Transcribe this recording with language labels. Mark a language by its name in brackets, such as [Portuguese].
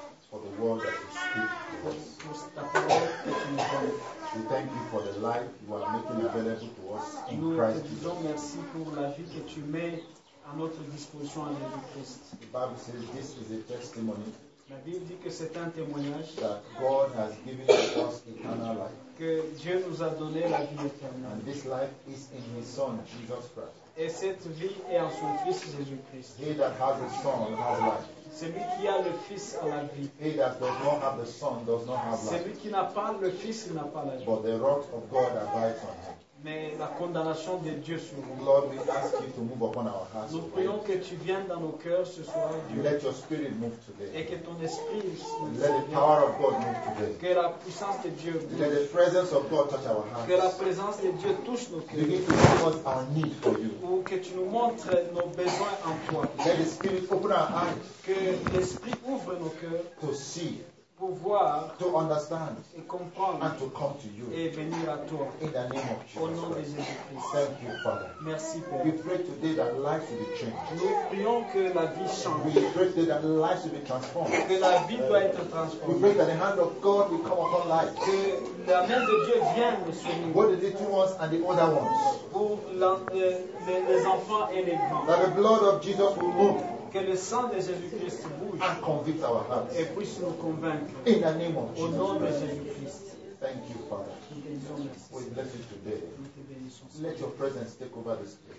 [English] for the word that you speak to us. [French] Pour ta parole que tu nous donnes. [English] We thank you for the life you are making available to us in [French] nous [English] Christ. [French] Nous te disons [English] Jesus. [French] Merci pour la vie que tu mets à notre disposition en Jésus-Christ. [English] The Bible says this is a testimony. [French] La Bible dit que c'est un témoignage. [English] That God has given us eternal life. [French] Que Dieu nous a donné la vie éternelle. [English] And this life is in His Son, Jesus Christ. [French] Et cette vie est en son Fils Jésus-Christ. [English] He that has a son has life. [French] Celui qui a le Fils a la vie. [English] He that does not have the son does not have life. [French] Celui qui n'a pas le Fils n'a pas la vie. [English] But the wrath of God abides on him. [French] Mais la condamnation de Dieu sur nous. [English] Lord, we ask you to move upon our hearts. [French] Nous prions que tu viennes dans nos cœurs ce soir, Dieu. [English] Let your spirit move today. [French] Et que ton esprit [English] nous. Let the power of God move today. [French] Que la puissance de Dieu. Bouge. [English] Let the presence of God touch our hearts. [French] Que la présence de Dieu touche nos cœurs. [English] Begin to show us our need for you. [French] Ou que tu nous montres nos besoins en toi. [English] Let the spirit open our eyes. [French] Que l'esprit ouvre nos cœurs. [English] To see. [French] Pour voir, [English] to understand [French] et comprendre, [English] and to come to you [French] et venir à toi, [English] in the name of Jesus. [French] Au nom de Jésus-Christ. [English] Thank you, Father. [French] Merci, Père. [English] We pray today that life will be changed. [French] Nous prions que la vie change. [English] We pray today that life will be transformed. [French] Que la vie doit être transformée. [English] We pray that the hand of God will come upon life. [French] Que la main de Dieu vienne sur nous. [English] Both the little ones and the older ones. [French] Pour les enfants et les grands. [English] That the blood of Jesus will move. [French] Que le sang de Jésus-Christ bouge [English] and convict our hearts. [French] Et puisse nous convaincre. [English] In the name of Jesus. [French] Au nom de Jésus-Christ. [English] Thank you, Father. We bless you today. Let your presence take over this place.